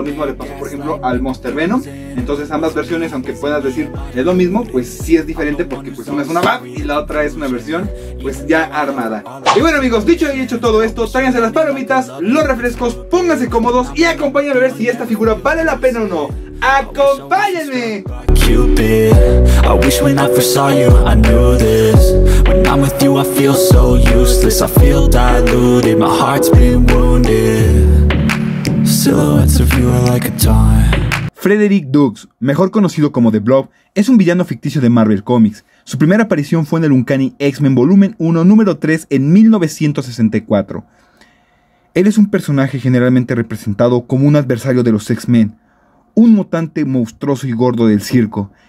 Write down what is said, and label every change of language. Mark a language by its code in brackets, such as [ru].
[es] Lo mismo le pasó, por ejemplo, al Monster Venom. Entonces ambas versiones, aunque puedas decir es lo mismo, pues sí es diferente, porque pues una es una BAF y la otra es una versión pues ya armada. Y bueno amigos, dicho y hecho todo esto, tráiganse las palomitas, los refrescos, pónganse cómodos y acompáñenme a ver si esta figura vale la pena o no. ¡Acompáñenme! [en] Cupid, I wish when I first saw you I knew this. When I'm with you I feel so useless. I feel diluted, my heart's been wounded. Silhouettes of you are like a taunt. [es] Frederick Doux, mejor conocido como The Blob, es un villano ficticio de Marvel Comics. Su primera aparición fue en el Uncanny X-Men Volumen 1, número 3, en 1964. Él es un personaje generalmente representado como un adversario de los X-Men, un mutante monstruoso y gordo del circo.